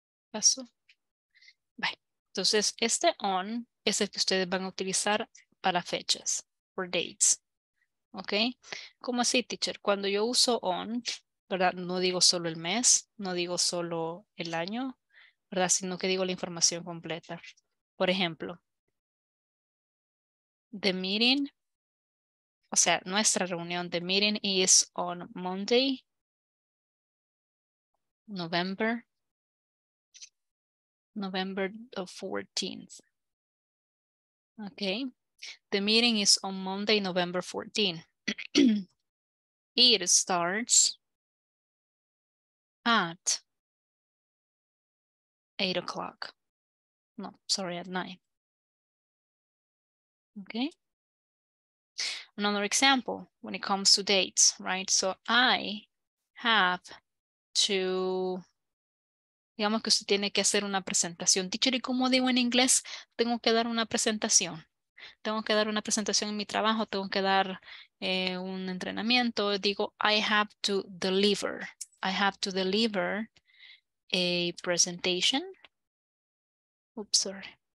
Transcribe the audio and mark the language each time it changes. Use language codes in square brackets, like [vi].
[es] ¿Paso? Bye. Entonces, este on es el que ustedes van a utilizar para fechas, [en] for dates. [es] ¿Ok? ¿Cómo así, teacher? Cuando yo uso on, ¿verdad? No digo solo el mes, no digo solo el año, ¿verdad? Sino que digo la información completa. Por ejemplo, [en] the meeting, [es] o sea, nuestra reunión, [en] the meeting is on Monday, November the 14th. Okay. The meeting is on Monday, November 14th. It starts at 8 o'clock. No, sorry, at 9. Okay. Another example when it comes to dates, right? So I have to, [es] digamos que usted tiene que hacer una presentación. Teacher, ¿y cómo digo en inglés? Tengo que dar una presentación. Tengo que dar una presentación en mi trabajo, tengo que dar un entrenamiento. [en] Digo, I have to deliver. I have to deliver a presentation. Oops, sorry.